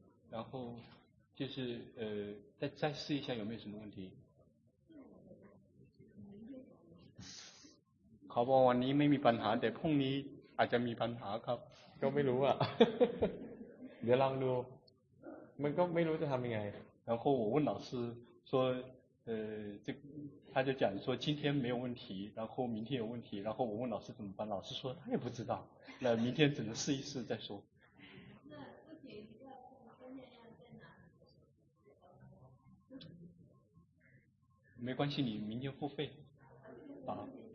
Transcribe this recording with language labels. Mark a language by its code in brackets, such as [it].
[zh] 然后就是再试一下有没有什么问题。 [th] เขาบอกวันนี้ไม่มีปัญหาแต่พรุ่งนี้อาจจะมีปัญหาครับ ก็ไม่รู้อ่ะเดี๋ยวลองดูมันก็ไม่รู้จะทำยังไง [zh] 然后我问老师说这他就讲说今天没有问题然后明天有问题然后我问老师怎么办老师说他也不知道那明天只能试一试再说没关系你明天付费啊